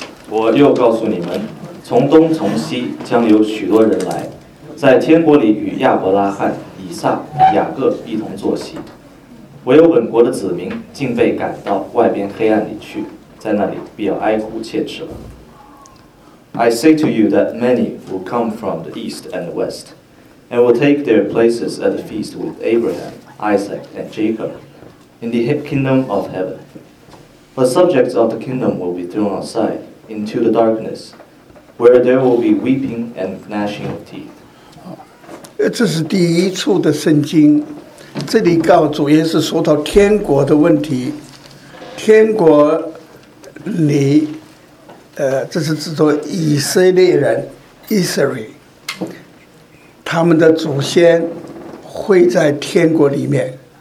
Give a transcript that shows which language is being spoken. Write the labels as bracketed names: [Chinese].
[Chinese] 我又告诉你们，从东从西将有许多人来，在天国里与亚伯拉罕、以撒、雅各一同坐席，唯有本国的子民竟被赶到外边黑暗里去，在那里必要哀哭切齿了。 [English] I say to you that many will come from the east and the west, and will take their places at the feast with Abraham, Isaac, and Jacob, in the kingdom of heaven. But subjects of the kingdom will be thrown outside, into the darkness, where there will be weeping and gnashing of teeth. [Chinese] 这是第一处的圣经，这里告主耶稣说到天国的问题，天国里这是指着以色列人 Israel 他们的祖先会在天国里面，